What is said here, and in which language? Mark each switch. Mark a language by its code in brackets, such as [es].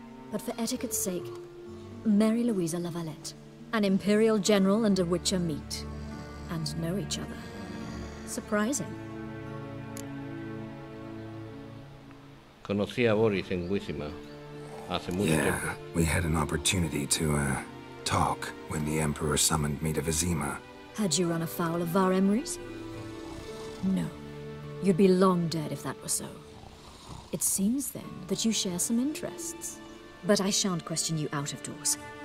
[en] But for etiquette's sake, Mary Louisa Lavalette, an Imperial General and a Witcher meet and know each other. Surprising. [es] Conocí a Boris en Wisima hace mucho tiempo. [en] Yeah, we had an opportunity to talk when the Emperor summoned me to Vizima. Had you run afoul of Var Emrys? No. You'd be long dead if that were so. It seems then that you share some interests. But I shan't question you out of doors.